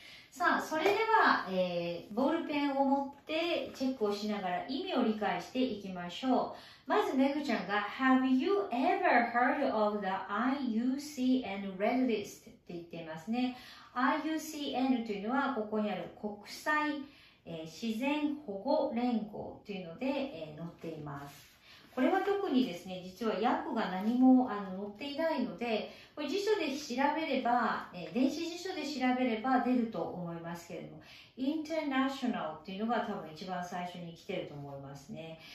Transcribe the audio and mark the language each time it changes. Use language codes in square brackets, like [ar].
[ja] さあ、それでは、ボールペンを持ってチェックをしながら意味を理解していきましょう。まず、めぐちゃんが [en] Have you ever heard of the IUCN Red List? [ja] って言っていますね。 IUCN というのは、ここにある国際、自然保護連合というので、載っています。これは特にですね、実は訳が何も載っていないので、これ辞書で調べれば、電子辞書で調べれば出ると思いますけれども、International というのが多分一番最初に来てると思いますね。